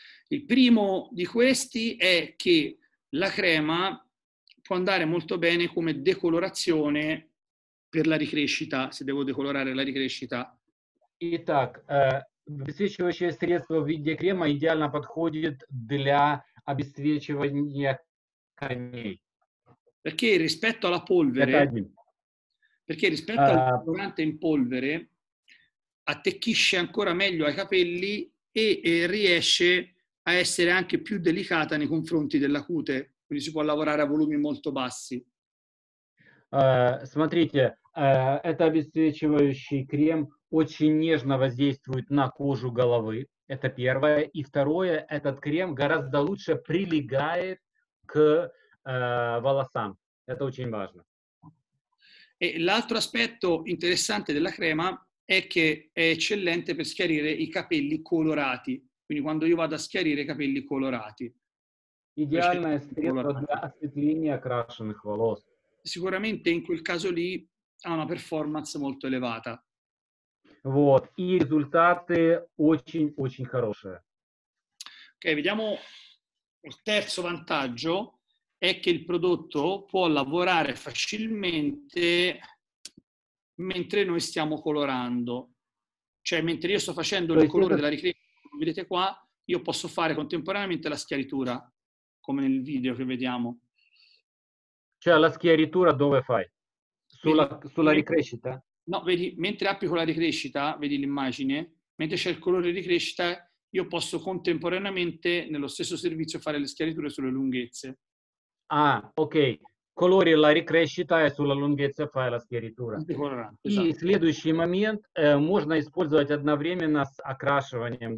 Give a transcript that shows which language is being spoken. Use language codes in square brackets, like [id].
[it] Il primo di questi è che la crema può andare molto bene come decolorazione per la ricrescita, se devo decolorare la ricrescita. [ru] Итак, обесцвечивающее средство в виде крема идеально подходит для обесцвечивания коней. [it] Perché rispetto alla polvere? Perché rispetto al decolorante in polvere attecchisce ancora meglio ai capelli e riesce a essere anche più delicata nei confronti della cute, quindi si può lavorare a volumi molto bassi. [ru] Смотрите, это обесцвечивающий крем очень нежно воздействует на кожу головы. Это первое. И второе, этот крем гораздо лучше прилегает к волосам. Это очень важно. [it] E l'altro aspetto interessante della crema è che è eccellente per schiarire i capelli colorati. Quindi quando io vado a schiarire i capelli colorati. [ru] Идеальное средство для осветления окрашенных волос. [it] Sicuramente in quel caso lì ha una performance molto elevata. [ru] Вот, и результаты очень-очень хорошие. [it] Ok, vediamo il terzo vantaggio è che il prodotto può lavorare facilmente mentre noi stiamo colorando. Cioè, mentre io sto facendo il colore della ricrescita, come vedete qua, io posso fare contemporaneamente la schiaritura, come nel video che vediamo. Cioè, la schiaritura dove fai? Sulla ricrescita? No, vedi, mentre applico la ricrescita, vedi l'immagine, mentre c'è il colore di crescita, io posso contemporaneamente, nello stesso servizio, fare le schiariture sulle lunghezze. Ah, ok. colори, la рекрещита и сула лунгеца файла скеритура. [ru] И следующий момент, можно использовать одновременно с окрашиванием.